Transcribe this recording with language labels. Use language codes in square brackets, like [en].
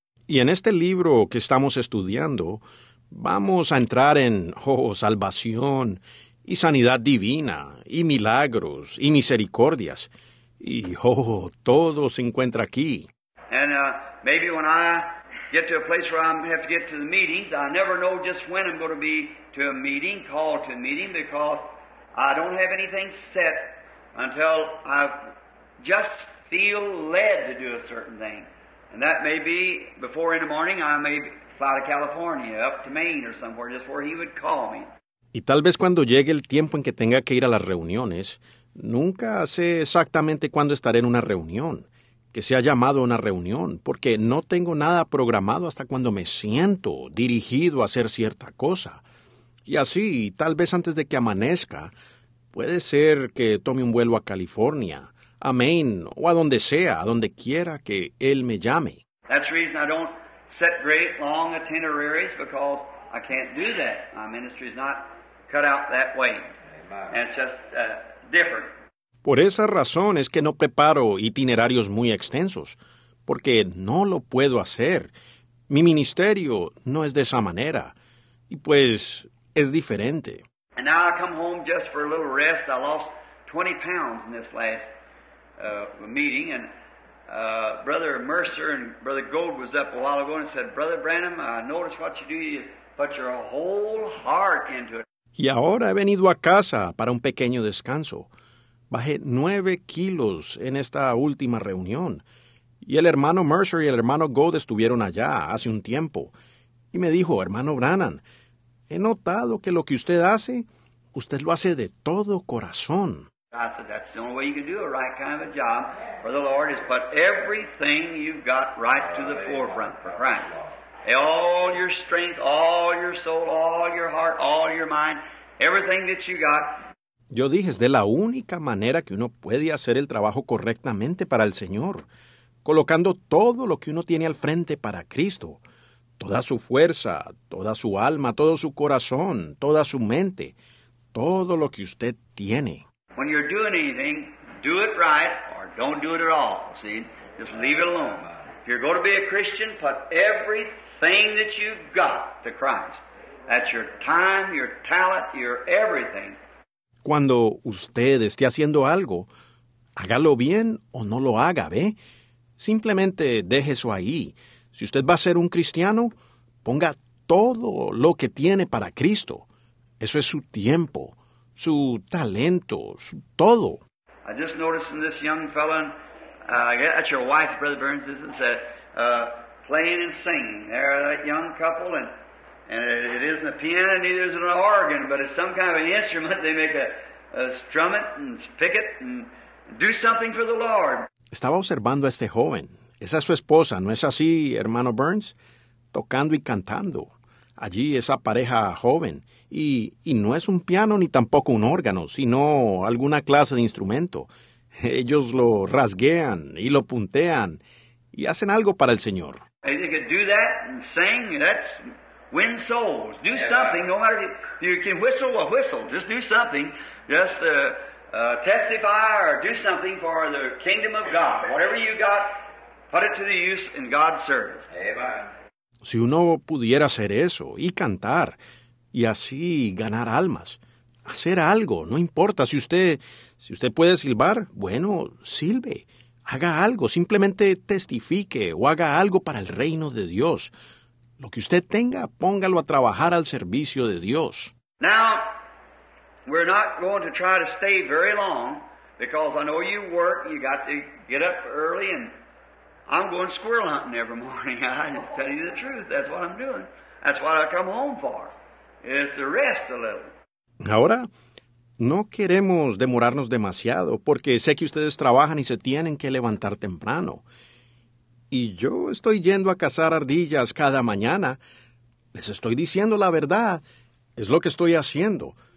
[es] Y en este libro que estamos estudiando, vamos a entrar en salvación y sanidad divina y milagros y misericordias. Y todo se encuentra aquí. [en] And maybe when I get to a place where I have to get to the meetings, I never know just when I'm going to be to a meeting, called to a meeting, because I don't have anything set until I've just feel led to do a certain thing. And that may be before in the morning, I may fly to California, up to Maine or somewhere, just where he would call me. [es] Y tal vez cuando llegue el tiempo en que tenga que ir a las reuniones, nunca sé exactamente cuándo estaré en una reunión, que sea llamado a una reunión, porque no tengo nada programado hasta cuando me siento dirigido a hacer cierta cosa. Y así, tal vez antes de que amanezca, puede ser que tome un vuelo a California, a Maine, o a donde sea, a donde quiera que él me llame. [en] That's the reason I don't set great long itineraries, because I can't do that. My ministry is not cut out that way. And it's just different. [es] Por esa razón es que no preparo itinerarios muy extensos, porque no lo puedo hacer. Mi ministerio no es de esa manera. Y pues, es diferente. [en] And now I come home just for a little rest. I lost 20 pounds in this last meeting, and Brother Mercer and Brother Gold was up a while ago and said, Brother Branham, I noticed what you do, you put your whole heart into it. [es] Y ahora he venido a casa para un pequeño descanso. Bajé 9 kilos en esta última reunión. Y el hermano Mercer y el hermano Gold estuvieron allá hace un tiempo. Y me dijo, hermano Brannan, he notado que lo que usted hace, usted lo hace de todo corazón. [en] I said, that's the only way you can do a right kind of a job for the Lord is put everything you've got right to the forefront for Christ. All your strength, all your soul, all your heart, all your mind, everything that you got. [es] Yo dije, es de la única manera que uno puede hacer el trabajo correctamente para el Señor, colocando todo lo que uno tiene al frente para Cristo, toda su fuerza, toda su alma, todo su corazón, toda su mente, todo lo que usted tiene. [en] When you're doing anything, do it right or don't do it at all, see? Just leave it alone. If you're going to be a Christian, put everything that you've got to Christ. That's your time, your talent, your everything. [es] Cuando usted esté haciendo algo, hágalo bien o no lo haga, ¿ve? Simplemente deje eso ahí. Si usted va a ser un cristiano, ponga todo lo que tiene para Cristo. Eso es su tiempo, su talento, su todo. [en] I just noticed in this young fellow, that's your wife, Brother Burns, is it, playing and singing. They're that young couple, and it isn't a piano, neither is it an organ, but it's some kind of an instrument. They make a strum it and pick it and do something for the Lord. [es] Estaba observando a este joven. Esa es su esposa, ¿no es así, hermano Burns? Tocando y cantando. Allí esa pareja joven. Y no es un piano ni tampoco un órgano, sino alguna clase de instrumento. Ellos lo rasguean y lo puntean y hacen algo para el Señor. [en] You can do that and sing, that's win souls. Do something, no matter if you can whistle or whistle. Just do something. Just testify or do something for the kingdom of God. Whatever you got, put it to the use in God's service. Amen. [es] Si uno pudiera hacer eso y cantar y así ganar almas, hacer algo, no importa. Si usted puede silbar, bueno, silbe. Haga algo, simplemente testifique o haga algo para el reino de Dios. Lo que usted tenga, póngalo a trabajar al servicio de Dios. [en] Now, we're not going to try to stay very long because I know you work, you got to get up early and I'm going squirrel hunting every morning. I'm just telling you the truth. That's what I'm doing. That's what I come home for, is to rest a little. [es] Ahora, no queremos demorarnos demasiado porque sé que ustedes trabajan y se tienen que levantar temprano. Y yo estoy yendo a cazar ardillas cada mañana. Les estoy diciendo la verdad. Es lo que estoy haciendo.